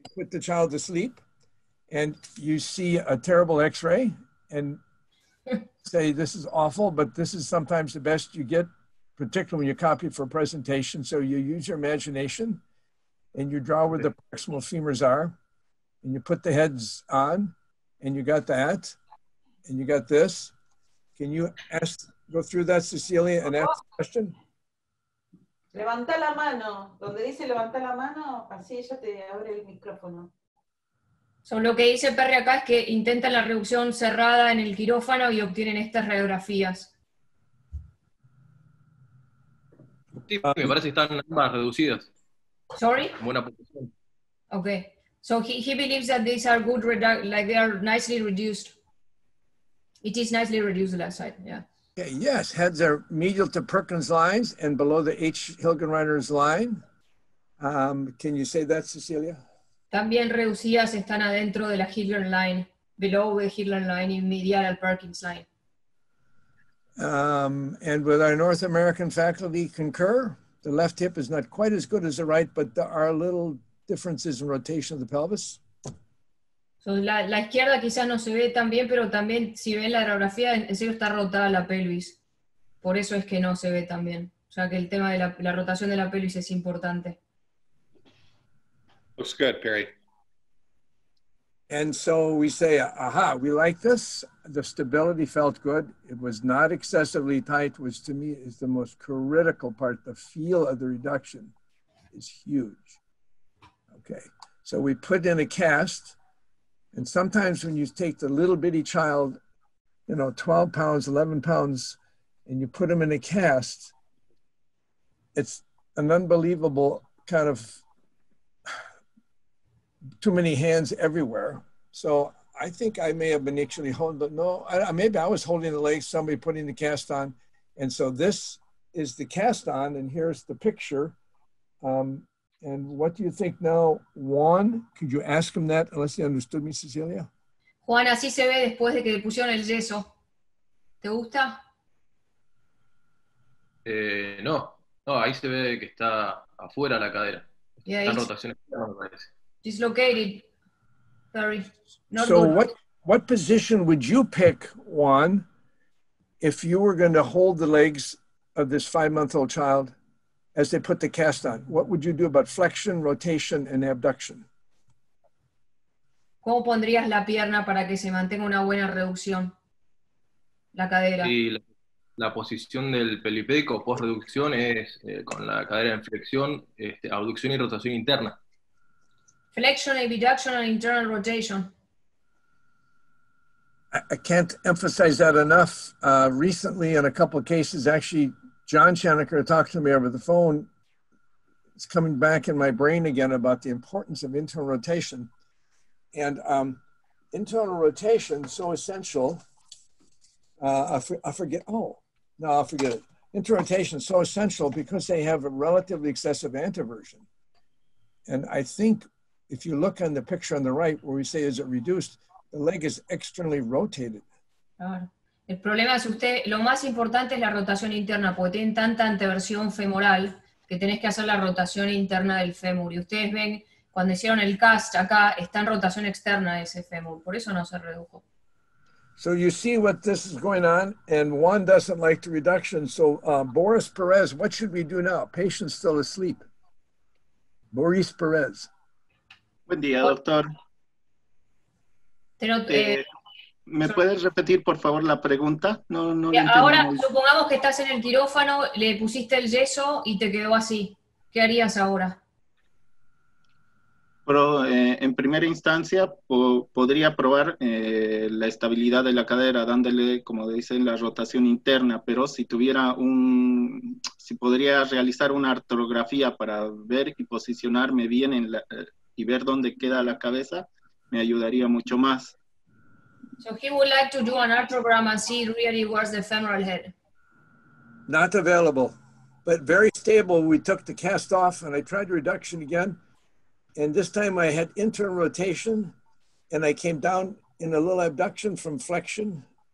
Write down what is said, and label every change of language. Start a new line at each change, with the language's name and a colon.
English: Put the child to sleep and you see a terrible x-ray and say, this is awful, but this is sometimes the best you get, particularly when you copy for a presentation. So you use your imagination and you draw where the proximal femurs are and you put the heads on and you got that and you got this. Can you ask, go through that, Cecilia, and ask the question?
Spanish: Levanta la mano. Donde dice levanta la mano, así ella te abre el micrófono. So, lo que dice Perry acá es que intentan la reducción cerrada en el quirófano y obtienen estas radiografías. Sí, me parece que están ambas reducidas.
English: Sorry?
Spanish: En buena posición. Okay.
English: So he believes that these are good, like they are nicely reduced. It is nicely reduced left side, yeah. Okay, yes, heads are medial to Perkins lines and below the H. Hilgenreiner's line. Can you say that, Cecilia?
Spanish: También reducidas están adentro de la Hilgen line,
English: below the Hilgen line,
Spanish: and medial al Perkins line.
English: And with our North American faculty concur, the left hip is not quite as good as the right, but there are little differences in rotation of the pelvis.
Spanish: So la izquierda quizás no se ve tan bien, pero también si ven la radiografía, en serio está rotada la pelvis. Por eso es que no se ve tan bien. O sea que el tema de la rotación de la pelvis es importante.
English: Looks good, Perry. And so we say, aha, we like this. The stability felt good. It was not excessively tight, which to me is the most critical part. The feel of the reduction is huge. Okay, so we put in a cast. And sometimes when you take the little bitty child, you know, 12 pounds, 11 pounds, and you put him in a cast, it's an unbelievable kind of too many hands everywhere. So I think I may have been actually holding, maybe I was holding the leg, somebody putting the cast on. And so this is the cast on, and here's the picture. And what do you think now, Juan? Could you ask him that, unless he understood me, Cecilia?
Spanish: Juan, así se ve después de que le pusieron el yeso. ¿Te gusta? No. No, ahí se ve que está afuera la cadera. Yeah, está en rotación.
English: Dislocated. Sorry. Not so what position would you pick, Juan, if you were going to hold the legs of this five-month-old child as they put the cast on? What would you do about flexion, rotation, and abduction?
Spanish: ¿Cómo pondrías la pierna para que se mantenga una buena reducción? La cadera. Y la posición del pelipédico post-reducción es con la cadera en flexión, abducción y rotación interna.
English: Flexion, abduction, and internal rotation. I can't emphasize that enough. Recently, in a couple of cases, actually, John Schoenecker talked to me over the phone. It's coming back in my brain again about the importance of internal rotation. And internal rotation, so essential. Internal rotation, so essential because they have a relatively excessive antiversion. And I think if you look on the picture on the right, where we say, is it reduced? The leg is externally rotated.
Spanish: El problema es usted, lo más importante es la rotación interna, porque tienen tanta anteversión femoral que tenés que hacer la rotación interna del fémur. Y ustedes ven, cuando hicieron el cast acá, está en rotación externa ese fémur, por eso no se redujo.
English: So you see what this is going on, and Juan doesn't like the reduction, so Boris Perez, what should we do now? Patient's still asleep. Boris Perez.
Spanish: Buen día, doctor. ¿Me puedes repetir, por favor, la pregunta? No lo entiendo. Ahora, supongamos que estás en el quirófano, le pusiste el yeso y te quedó así. ¿Qué harías ahora? Pero, en primera instancia, podría probar la estabilidad de la cadera, dándole, como dicen, la rotación interna, pero si tuviera si podría realizar una artrografía para ver y posicionarme bien y ver dónde queda la cabeza, me ayudaría mucho más.
English: So he would like to do an arthrogram and see really where's the femoral head. Not available, but very stable. We took the cast off and I tried reduction again. And this time I had internal rotation and I came down in a little abduction from flexion.